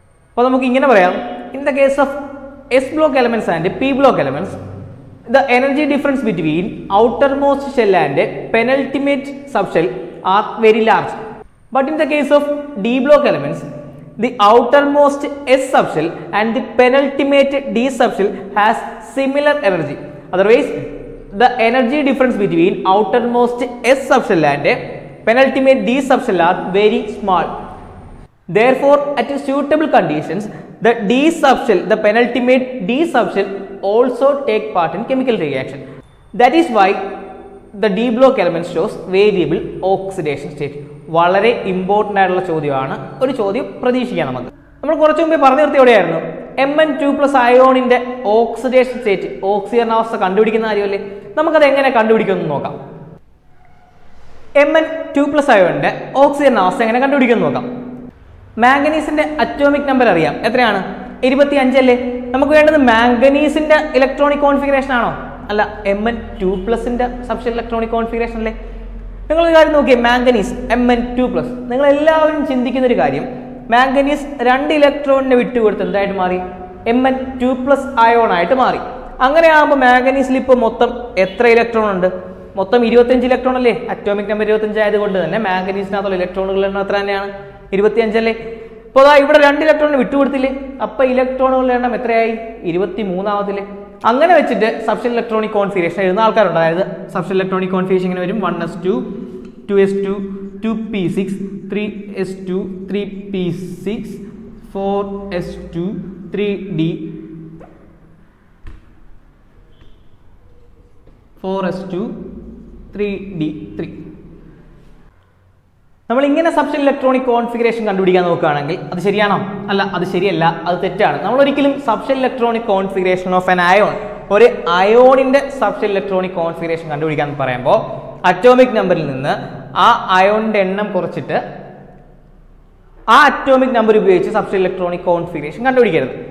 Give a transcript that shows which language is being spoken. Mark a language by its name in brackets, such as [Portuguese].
[Malayalam] അപ്പോൾ നമുക്ക് ഇങ്ങനെ പറയാം, [English] In the case of S block elements and P block elements the energy difference between outer most shell and penultimate subshell are very large. But in the case of D block elements the outer most S subshell and the penultimate D subshell has similar energy. otherwise the energy difference between outermost S subshell and penultimate D subshell are very small. Therefore, at suitable conditions, the D subshell, the penultimate D subshell also take part in chemical reaction. That is why the D block element shows variable oxidation state. [Malayalam] വളരെ important ആയിട്ടുള്ള ചോദ്യമാണ്, ഒരു ചോദ്യം പ്രതീക്ഷിക്കാം നമുക്ക്. നമ്മൾ കുറച്ചു മുമ്പേ പറഞ്ഞു നിർത്തിയോടെയായിരുന്നു M N two plus അയോണിൻ്റെ oxidation state, ഓക്സിജനാവസ്ഥ കണ്ടുപിടിക്കുന്ന കാര്യമല്ലേ. നമുക്കത് എങ്ങനെ കണ്ടുപിടിക്കുമെന്ന് നോക്കാം. എം എൻ ടു പ്ലസ് അയോണിൻ്റെ ഓക്സിജനാവസ്ഥ എങ്ങനെ കണ്ടുപിടിക്കുമെന്ന് നോക്കാം. മാംഗനീസിൻ്റെ അറ്റോമിക് നമ്പർ അറിയാം, എത്രയാണ്? 25 അല്ലേ. നമുക്ക് വേണ്ടത് മാംഗനീസിൻ്റെ ഇലക്ട്രോണിക് കോൺഫിഗറേഷൻ ആണോ? അല്ല, M N two പ്ലസിൻ്റെ subshell electronic configuration അല്ലേ. നിങ്ങളൊരു കാര്യം നോക്കിയേ, manganese M N two plus, നിങ്ങൾ എല്ലാവരും ചിന്തിക്കുന്ന ഒരു കാര്യം, മാംഗനീസ് രണ്ട് ഇലക്ട്രോണിനെ വിട്ടുകൊടുത്ത് എന്തായിട്ട് മാറി? M N two plus ion ആയിട്ട് മാറി. അങ്ങനെ ആകുമ്പോൾ മാംഗനീസിൽ ഇപ്പോൾ മൊത്തം എത്ര ഇലക്ട്രോൺ ഉണ്ട്? മൊത്തം 25 ഇലക്ട്രോൺ അല്ലേ. അറ്റോമിക് നമ്പർ 25 ആയതുകൊണ്ട് തന്നെ മാംഗനീസിനകത്തുള്ള ഇലക്ട്രോണുകളുടെ എണ്ണം എത്ര തന്നെയാണ്? 25 അല്ലേ. അപ്പോൾ അതാ ഇവിടെ രണ്ട് ഇലക്ട്രോണിന് വിട്ടുകൊടുത്തില്ലേ, അപ്പോൾ ഇലക്ട്രോണുകളുടെ എണ്ണം എത്രയായി? 23 ആവത്തില്ലേ. അങ്ങനെ വെച്ചിട്ട് സബ്ഷൽ ഇലക്ട്രോണിക് കോൺഫിഗറേഷൻ എഴുതുന്ന ആൾക്കാരുണ്ട്. അതായത് സബ്ഷൽ ഇലക്ട്രോണിക് കോൺഫിഗറേഷൻ ഇങ്ങനെ വരും, 1s2 2s2 2p6 3s2 3p6 4s2 3d 4s2 3d 3. നമ്മളിങ്ങനെ സബ്ഷൽ ഇലക്ട്രോണിക് കോൺഫിഗറേഷൻ കണ്ടുപിടിക്കാൻ നോക്കുകയാണെങ്കിൽ അത് ശരിയാണോ? അല്ല, അത് ശരിയല്ല, അത് തെറ്റാണ്. നമ്മളൊരിക്കലും subshell electronic configuration of N ion, ഒരു അയോണിൻ്റെ സബ്ഷൽ ഇലക്ട്രോണിക് കോൺഫിഗറേഷൻ കണ്ടുപിടിക്കാൻ പറയുമ്പോൾ അറ്റോമിക് നമ്പറിൽ നിന്ന് ആ അയോണിൻ്റെ എണ്ണം കുറച്ചിട്ട് ആ അറ്റോമിക് നമ്പർ ഉപയോഗിച്ച് സബ്ഷൽ ഇലക്ട്രോണിക് കോൺഫിഗറേഷൻ കണ്ടുപിടിക്കരുത്.